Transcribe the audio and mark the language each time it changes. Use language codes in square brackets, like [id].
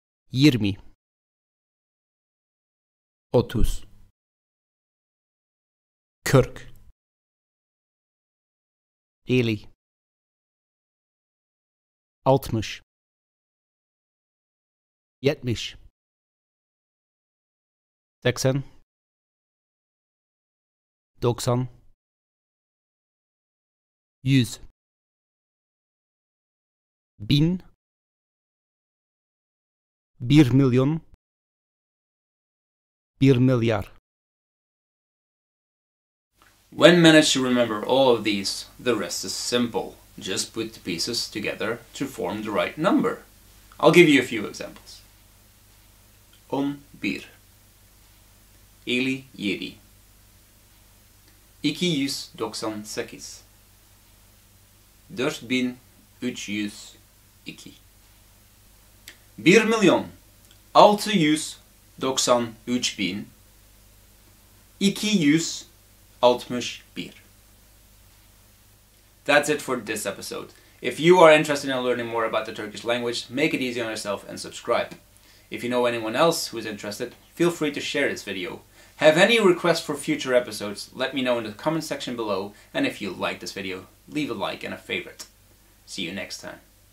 [tr] yirmi, otuz, kırk, elli, altmış, yetmiş, seksen, doksan, yüz, bin, bir milyon, bir milyar. [en] When managed to remember all of these, the rest is simple. Just put the pieces together to form the right number. I'll give you a few examples. [tr] On bir, elli yedi, iki yüz doksan sekiz, dört bin üç yüz iki. Bir milyon, altı yüz doksan üç bin, iki yüz altmış bir. [en] That's it for this episode. If you are interested in learning more about the Turkish language, make it easy on yourself and subscribe. If you know anyone else who is interested, feel free to share this video. Have any requests for future episodes, let me know in the comment section below, and if you like this video, leave a like and a favorite. See you next time.